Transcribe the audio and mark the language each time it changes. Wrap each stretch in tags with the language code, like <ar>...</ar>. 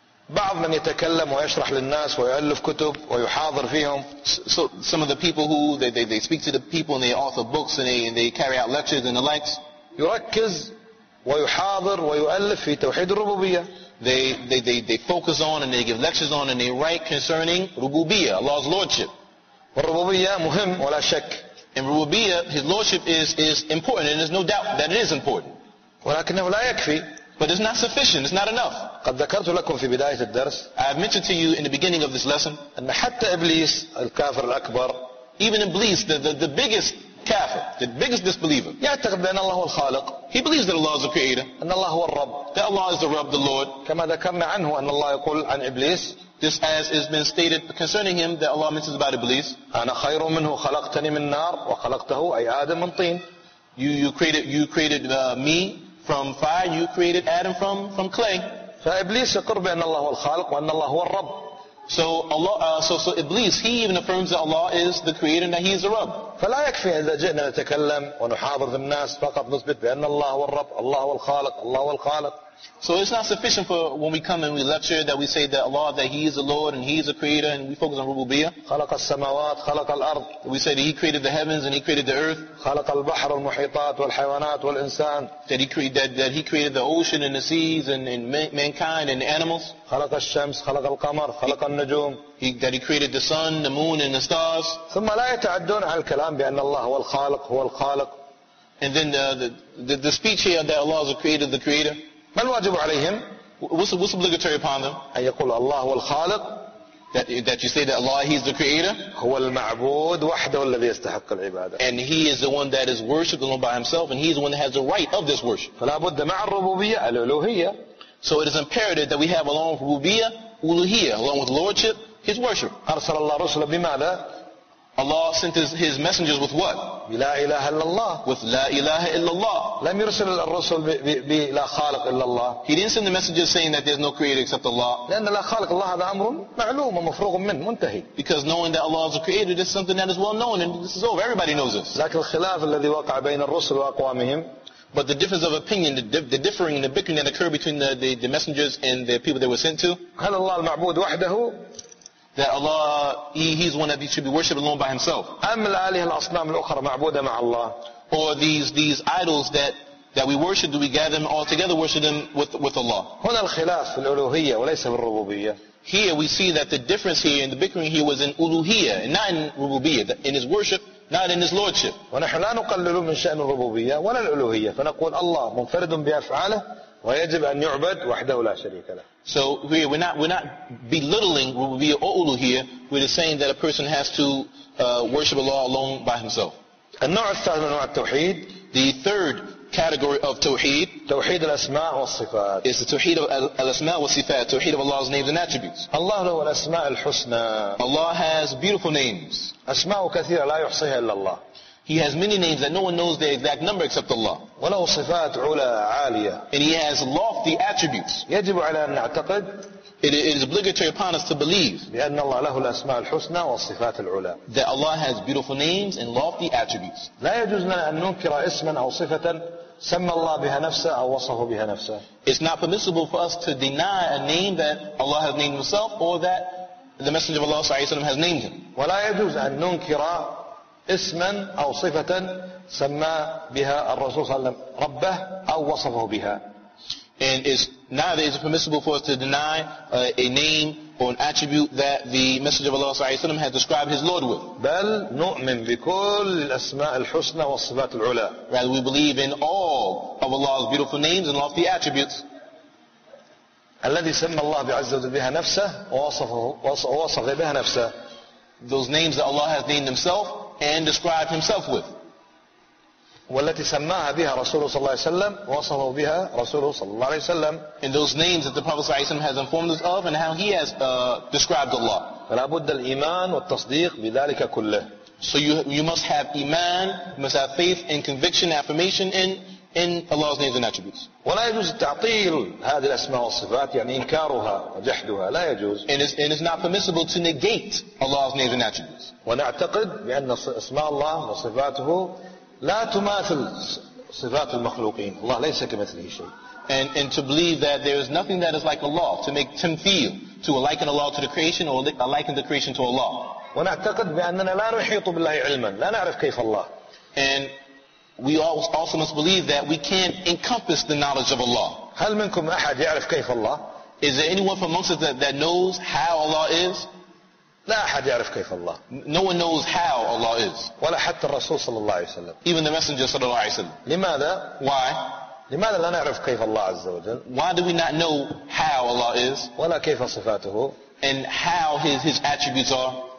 <ar>بعض من يتكلم ويشرح للناس ويؤلف كتب ويحاضر فيهم.</ar> <en>So some of the people who they speak to the people and they author books and they carry out lectures and the likes.</en> <ar>يركز ويحاضر ويؤلف في توحيد الربوبية.</ar> <en>They focus on and they give lectures on and they write concerning rububiyya, Allah's lordship.</en> <ar>والربوبية مهم ولا شك.</ar> <en>And rububiyya, His lordship is important and there's no doubt that it is important.</en> <ar>ولكنه لا يكفي.</ar> <en>But it's not sufficient. It's not enough.</en> <ar>قد ذكرت لكم في بداية الدرس.</ar> <en>I have mentioned to you in the beginning of this lesson.</en> <ar>أن حتى إبليس الكافر الأكبر.</ar> <en>Even Iblis, the biggest kafir, the biggest disbeliever.</en> <ar>يعتقد بأن الله هو الخالق.</ar> <en>He believes that Allah is the creator.</en> <ar>أن الله هو الرب.</ar> <en>That Allah is the Rabb, the Lord.</en> <ar>كما ذكرنا عنه أن الله يقول عن إبليس.</ar> <en>This as has been stated concerning him that Allah mentions about Iblis.</en> <ar>أنا خير منه خلقتني من نار وخلقته أي آدم من طين.</ar> <en>You created me. From fire, you created Adam from clay.</en> <ar>فإبليس يقر بأن الله هو الخالق وأن الله هو الرب.</ar> <en>So Allah, so Iblis, he even affirms that Allah is the creator and that He is the Rabb.</en> <ar>فلا يكفي إذا جئنا نتكلم ونحاضر في الناس فقط نثبت بأن الله هو الرب, الله هو الخالق, الله هو الخالق.</ar> <en>So it's not sufficient for when we come and we lecture that we say that Allah, that He is the Lord and He is the creator and we focus on rububiyya.</en> <ar>خلق السماوات, خلق الأرض.</ar> <en>We say that He created the heavens and He created the earth.</en> <ar>خلق البحر والمحيطات والحيوانات والإنسان.</ar> <en>That He created the ocean and the seas and mankind and animals.</en> <ar>خلق الشمس, خلق القمر, خلق النجوم.</ar> <en>That He created the sun, the moon and the stars.</en> <ar>ثم لا يتعدون على الكلام بأن الله هو الخالق, هو الخالق.</ar> <en>And then the speech here that Allah is the creator.</en> <ar>ما الواجب عليهم؟</ar> <en>What's obligatory upon them?</en> <ar>أن يقول الله هو الخالق.</ar> <en>That you say that Allah, He's the creator.</en> <ar>هو المعبود وحده الذي يستحق العبادة.</ar> <en>And He is the one that is worshipped alone by Himself, and He is the one that has the right of this worship.</en> <ar>فلا بد مع الربوبية الألوهية.</ar> <en>So it is imperative that we have along with ربوبية, ألوهية, along with lordship, His worship.</en> <ar>أرسل الله رسله بماذا؟</ar> <en>Allah sent His messengers with what?</en> <ar>لا إله إلا الله.</ar> <en>With</en> <ar>لا إله إلا الله. لم يرسل الرسل بلا خالق إلا الله.</ar> <en>He didn't send the messengers saying that there's no creator except Allah.</en> <ar>لأن لا خالق الله هذا أمر معلوم ومفروغ منه منتهي.</ar> <en>Because knowing that Allah is the creator, this is something that is well known and this is over. Everybody knows this.</en> <ar>لكن الخلاف الذي وقع بين الرسل وأقوامهم.</ar> <en>But the difference of opinion, the differing and the bickering that occurred between the messengers and the people they were sent to.</en> <ar>هل الله المعبود وحده؟</ar> <en>That Allah, He's one that should be worshipped alone by Himself.</en> <ar>أم الآلهة الأصنام الأخرى معبودة مع الله.</ar> <en>Or these idols that that we worship, do we gather them all together, worship them with Allah.</en> <ar>هنا الخلاف في الألوهية وليس في الربوبية.</ar> <en>Here we see that the difference here in the bickering here was in uluhiyya, not in rububiyya, in his worship, not in his lordship.</en> <ar>ونحن لا نقلل من شأن الربوبية ولا الألوهية، فنقول الله منفرد بأفعاله ويجب أن يعبد وحده لا شريك له.</ar> <en>So we're not belittling rububiyya or uluhiyya. We're just saying that a person has to worship Allah alone by himself.</en> <ar>النوع الثالث من أنواع التوحيد.</ar> <en>The third category of tawheed,</en> <ar>tawheed al-asma' wa-sifat,</ar> <en>is the tawheed of al-asma' wa-sifat, tawheed of Allah's names and attributes.</en> <ar>Allah lahu al-asma' al-husna,</ar> <en>Allah has beautiful names.</en> <ar>Asma'u kathira la yuhsiha illa Allah,</ar> <en>he has many names that no one knows the exact number except Allah.</en> <ar>Wa lahu sifat 'ula 'aliya,</ar> <en>and he has lofty attributes.</en> <ar>Yajib 'ala an na'taqid,</ar> <en>it is obligatory upon us to believe,</en> <ar>بأن الله له الأسماء الحسنى والصفات العلى,</ar> <en>that Allah has beautiful names and lofty attributes.</en> <ar>لا يجوز لنا أن ننكر اسما أو صفة سمى الله بها نفسه أو وصفه بها نفسه.</ar> <en>It's not permissible for us to deny a name that Allah has named himself or that the Messenger of Allah</en> <ar>صلى الله عليه وسلم</ar> <en>has named him.</en> <ar>ولا يجوز أن ننكر اسما أو صفة سمى بها الرسول صلى الله عليه وسلم ربه أو وصفه بها.</ar> <en>And neither is it permissible for us to deny a name or an attribute that the Messenger of Allah</en> <ar>sallallahu alaihi wasallam</ar> <en>has described his Lord with.</en> <ar>بل نؤمن بكل الأسماء الحسنى والصفات العلى.</ar> <en>Rather, we believe in all of Allah's beautiful names and lofty attributes.</en> <ar>الذي سمى الله عز وجل بها نفسه ووصف بها نفسه.</ar> <en>Those names that Allah has named himself and described himself with.</en> <ar>والتي سماها بها رسوله صلى الله عليه وسلم وصفه بها رسوله صلى الله عليه وسلم.</ar> <en>And those names that the Prophet</en> <ar>صلى الله عليه وسلم</ar> <en>has informed us of and how he has described Allah.</en> <ar>فلا بد الإيمان والتصديق بذلك كله.</ar> <en>So you must have iman, you must have faith and conviction, affirmation in Allah's names and attributes.</en> <ar>ولا يجوز تعطيل هذه الأسماء والصفات يعني إنكارها وجحدها لا يجوز.</ar> <en>And it's not permissible to negate Allah's names and attributes.</en> <ar>ونعتقد بأن أسماء الله وصفاته لا تماثل صفات المخلوقين. الله ليس كمثله شيء.</ar> <en>And to believe that there is nothing that is like Allah, to make tamthil, to liken Allah to the creation or liken the creation to Allah.</en> <ar>ونعتقد بأننا لا نحيط بالله علما لا نعرف كيف الله.</ar> <en>And we also must believe that we can't encompass the knowledge of Allah.</en> <ar>هل منكم أحد يعرف كيف الله؟</ar> <en>Is there anyone from amongst us that knows how Allah is?</en> <ar>لا أحد يعرف كيف الله.</ar> <en>No one knows how Allah is.</en> <ar>ولا حتى الرسول صلى الله عليه وسلم.</ar> <en>Even the Messenger</en> <ar>صلى الله عليه وسلم. لماذا؟</ar> <en>Why؟</en> <ar>لماذا لا نعرف كيف الله عز وجل؟</ar> <en>Why do we not know how Allah is؟</en> <ar>ولا كيف صفاته؟</ar> <en>And how his attributes are؟</en>